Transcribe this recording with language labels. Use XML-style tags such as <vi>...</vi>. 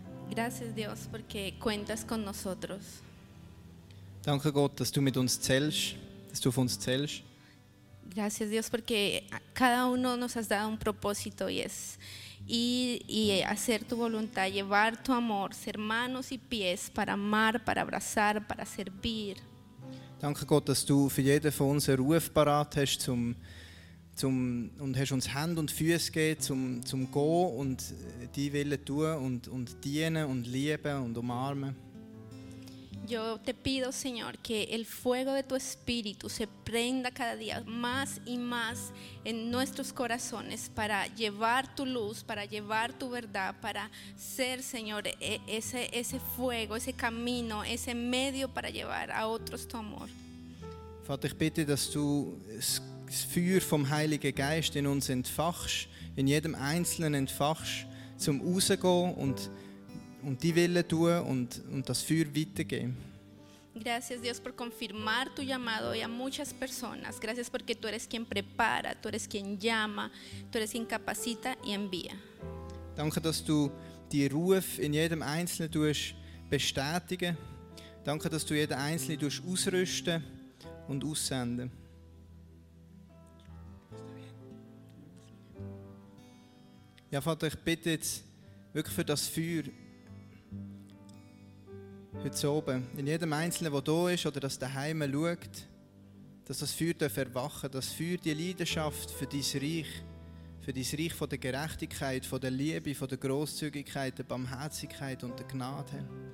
<es>Gracias, Dios, porque cuentas con nosotros.</es> <de>Danke Gott, dass du mit uns zählst, dass du auf uns zählst.</de> <es>Gracias, Dios, porque cada uno nos has dado un propósito y es ir y hacer tu voluntad, llevar tu amor, ser manos y pies para amar, para abrazar, para servir.</es> <de>Danke Gott, dass du für jeden von uns einen Ruf parat hast zum und hast uns Hände und Füße gegeben, zum gehen und die Wille tun und dienen und lieben und umarmen.</de> <es>Yo te pido, Señor, que el fuego de tu espíritu se prenda cada día más y más en nuestros corazones para llevar tu luz, para llevar tu verdad, para ser, Señor, ese fuego, ese camino, ese medio para llevar a otros tu amor.</es> <de>Vater, ich bitte, dass du das Feuer vom Heiligen Geist in uns entfachst, in jedem Einzelnen entfachst, zum Rausgehen und die Wille tun und das Feuer weitergeben.</de> <es>Gracias Dios por confirmar tu llamado y a muchas personas. Gracias porque tú eres quien prepara, tú eres quien llama, tú eres quien capacita y envía.</es> <de>Danke, dass du die Ruf in jedem Einzelnen tust bestätigen. Danke, dass du jeden Einzelnen tust ausrüsten und aussenden. Ja, Vater, ich bitte jetzt wirklich für das Feuer, heute oben, in jedem Einzelnen, der da ist oder das daheim schaut, dass das Feuer erwachen darf, dass das Feuer die Leidenschaft für dein Reich von der Gerechtigkeit, von der Liebe, von der Grosszügigkeit, der Barmherzigkeit und der Gnade.</de>